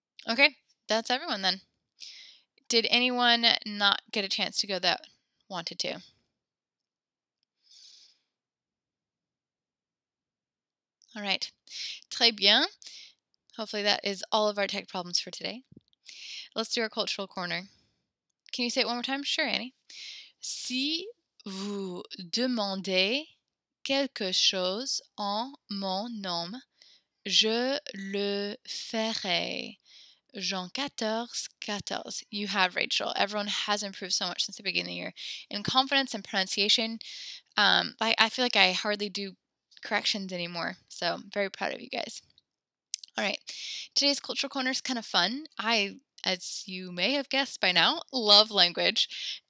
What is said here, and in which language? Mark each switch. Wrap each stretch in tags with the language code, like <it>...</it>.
<en>Okay. That's everyone then. Did anyone not get a chance to go that wanted to? All right.</en> <fr>Très bien.</fr> <en>Hopefully that is all of our tech problems for today. Let's do our cultural corner. Can you say it one more time? Sure, Annie.</en> <fr>Si vous demandez quelque chose en mon nom, je le ferai.</fr> <en>Jean 14, 14. You have, Rachel. Everyone has improved so much since the beginning of the year in confidence and pronunciation. I feel like I hardly do corrections anymore, so I'm very proud of you guys. All right, today's cultural corner is kind of fun. I, as you may have guessed by now, love language.</en>